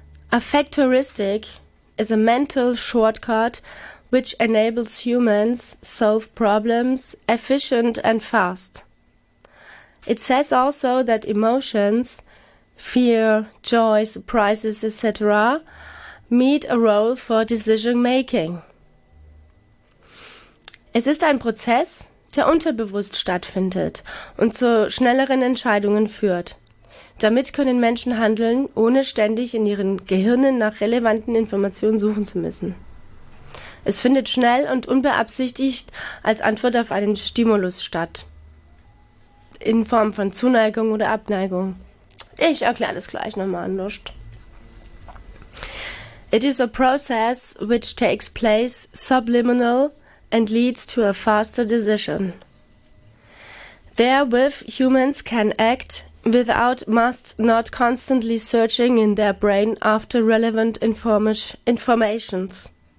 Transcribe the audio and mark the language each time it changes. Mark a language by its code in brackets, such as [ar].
[en] Affectoristic is a mental shortcut which enables humans solve problems efficient and fast. It says also that emotions, fear, joy, surprises etc. meet a role for decision making. [de] Es ist ein Prozess, der unterbewusst stattfindet und zu schnelleren Entscheidungen führt. Damit können Menschen handeln, ohne ständig in ihren Gehirnen nach relevanten Informationen suchen zu müssen. Es findet schnell und unbeabsichtigt als Antwort auf einen Stimulus statt, in Form von Zuneigung oder Abneigung. Ich erkläre das gleich nochmal anders. [en] It is a process which takes place subliminal and leads to a faster decision. Therewith humans can act without must not constantly searching in their brain after relevant informations.